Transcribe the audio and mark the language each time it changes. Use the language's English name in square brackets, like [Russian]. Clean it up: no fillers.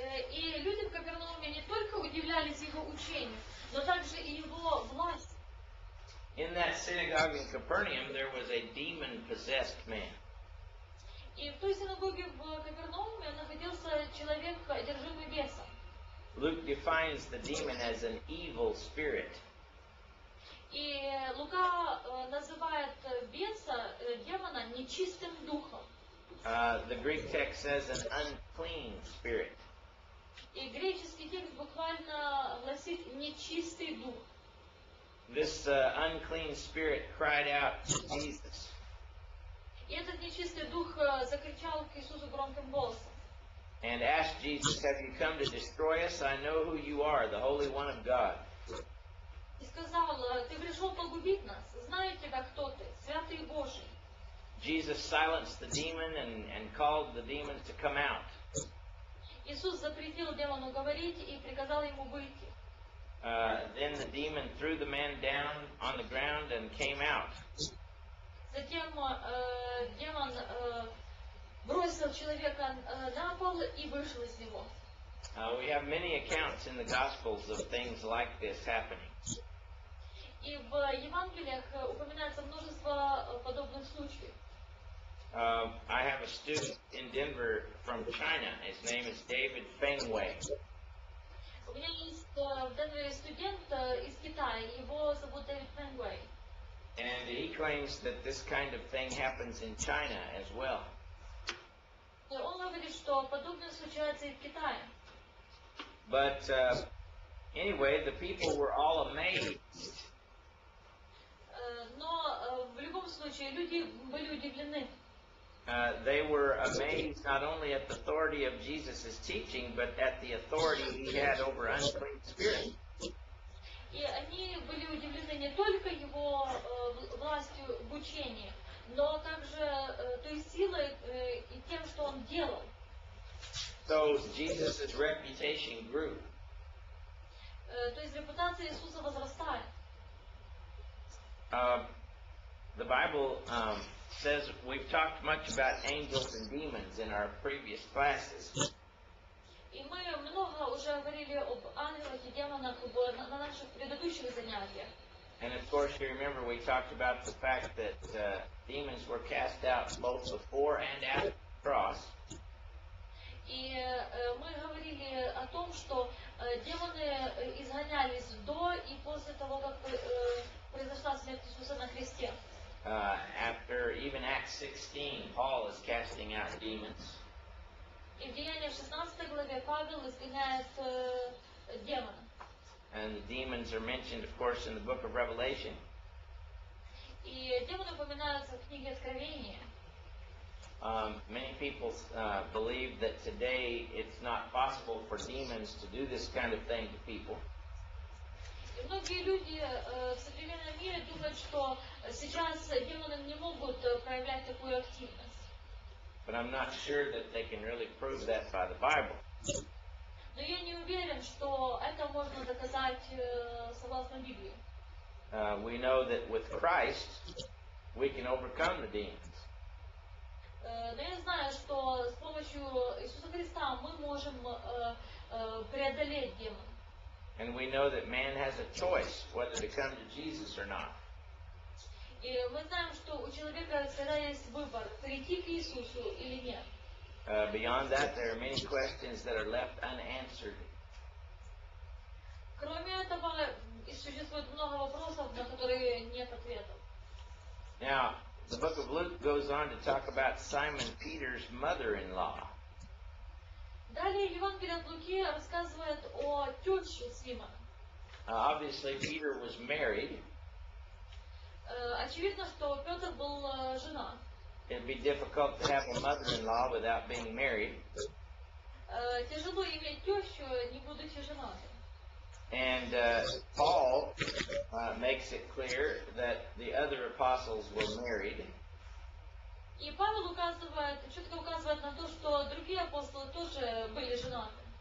[Russian] И люди в Капернауме не только удивлялись его учению, но также и его власти. [English] In that synagogue in Capernaum, there was a demon-possessed man. [Russian] И в той синагоге в Капернауме находился человек, одержимый бесом. [English] Luke defines the demon as an evil spirit. [Russian] И Лука называет беса, демона, нечистым духом. [English] The Greek text says an unclean spirit. [Russian] И греческий текст буквально гласит нечистый дух. [English] This unclean spirit cried out to Jesus. [Russian] И этот нечистый дух закричал к Иисусу громким голосом. [English] And asked Jesus, "Have you come to destroy us? I know who you are, the Holy One of God." [Russian] И сказал, ты пришел погубить нас, знаю тебя, кто ты, святый Божий. [English] Jesus silenced the demon and called the demon to come out. [Russian] Иисус запретил демону говорить и приказал ему выйти. [English] Then the demon threw the man down on the ground and came out. [Russian] Затем демон бросил человека на пол и вышел из него. [English] We have many accounts in the Gospels of things like this happening. [Russian] И в Евангелиях упоминается множество подобных случаев. [English] I have a student in Denver from China. His name is David Fengwei. [Russian] У меня есть в Денвере студент из Китая. Его зовут Дэвид Фенгвей. [English] And he claims that this kind of thing happens in China as well. [Russian] Он говорит, что подобное случается и в Китае. [English] But anyway, the people were all amazed. [Russian] Но в любом случае люди были удивлены. [English] They were amazed not only at the authority of Jesus' teaching, but at the authority he had over unclean spirits. [Russian] И они были удивлены не только его властью в учении, но также той силой и тем, что он делал. [English] So Jesus' reputation grew. [Russian] То есть репутация Иисуса возрастает. [English] The Bible says we've talked much about angels and demons in our previous classes. [Russian] И мы много уже говорили об ангелах и демонах на наших предыдущих занятиях. [English] And of course you remember we talked about the fact that demons were cast out both before and after the cross. [Russian] И мы говорили о том, что демоны изгонялись до и после того, как произошла смерть Иисуса на кресте. [English] After even Acts 16, Paul is casting out demons. [Russian] И в Деяниях 16 главе Павел изгоняет демона. [English] And the demons are mentioned, of course, in the book of Revelation. [Russian] И демоны упоминаются в книге Откровения. [English] Many people believe that today it's not possible for demons to do this kind of thing to people. [Russian] И многие люди в современном мире думают, что сейчас демоны не могут проявлять такую активность. [English] But I'm not sure that they can really prove that by the Bible. [Russian] Но я не уверен, что это можно доказать согласно Библии. [English] We know that with Christ, we can overcome the demons. [Russian] Но я знаю, что с помощью Иисуса Христа мы можем преодолеть демонов. [English] And we know that man has a choice whether to come to Jesus or not. [Russian] И мы знаем, что у человека всегда есть выбор, прийти к Иисусу или нет. [English] Beyond that, there are many questions that are left unanswered. [Russian] Кроме этого, существует много вопросов, на которые нет ответов. [English] Now, the book of Luke goes on to talk about Simon Peter's mother-in-law. [Russian] Далее Евангелие от Луки рассказывает о тёще Симона. [English] Obviously, Peter was married. [Russian] Очевидно, что Пётр был женат. [English] It'd be difficult to have a mother-in-law without being married. [Russian] Тяжело иметь тёщу, не будучи женатым. [English] And Paul makes it clear that the other apostles were married. [Russian] И Павел указывает, четко указывает на то, что другие апостолы тоже были женаты.